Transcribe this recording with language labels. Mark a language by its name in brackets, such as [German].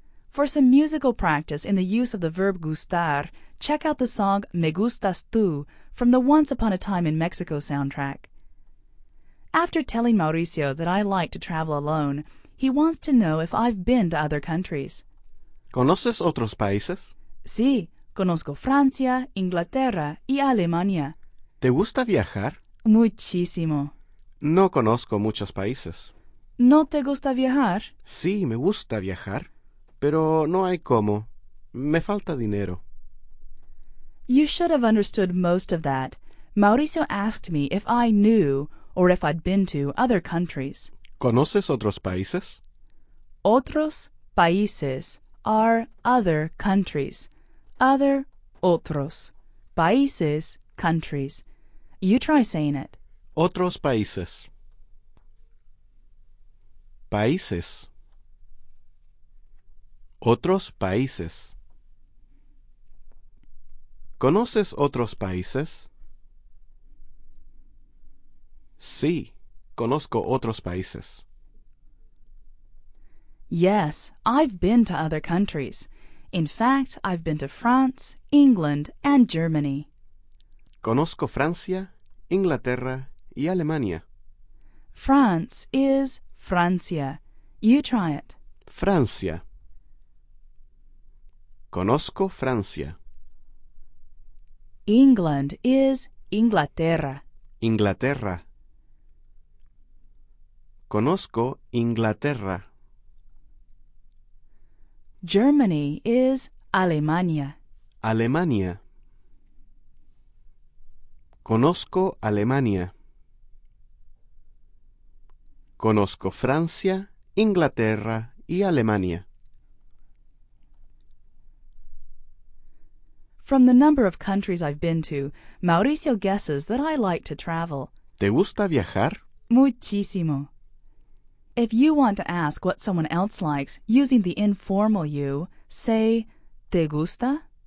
[English] For some musical practice in the use of the verb gustar, check out the song Me Gustas Tú from the Once Upon a Time in Mexico soundtrack. After telling Mauricio that I like to travel alone, he wants to know if I've been to other countries. [Spanish] ¿Conoces otros países? Sí, conozco Francia, Inglaterra y Alemania. ¿Te gusta viajar? Muchísimo. No conozco muchos países. ¿No te gusta viajar? Sí, me gusta viajar, pero no hay cómo. Me falta dinero. [English] You should have understood most of that. Mauricio asked me if I knew, or if I'd been to, other countries. [Spanish] ¿Conoces otros países? Otros países [English] are other countries. Other, otros. Países, countries. You try saying it. [Spanish] Otros países. Países. Otros países. ¿Conoces otros países? Sí, conozco otros países. [English] Yes, I've been to other countries. In fact, I've been to France, England, and Germany. [Spanish] Conozco Francia, Inglaterra, y Alemania. [English] France is Francia. You try it. [Spanish] Francia. Conozco Francia. [English] England is Inglaterra. [Spanish] Inglaterra. Conozco Inglaterra. [English] Germany is Alemania. [Spanish] Alemania. Conozco Alemania. Conozco Francia, Inglaterra y Alemania. [English] From the number of countries I've been to, Mauricio guesses that I like to travel. [Spanish] ¿Te gusta viajar? [English] Muchísimo. If you want to ask what someone else likes, using the informal you, say, [Spanish] ¿te gusta?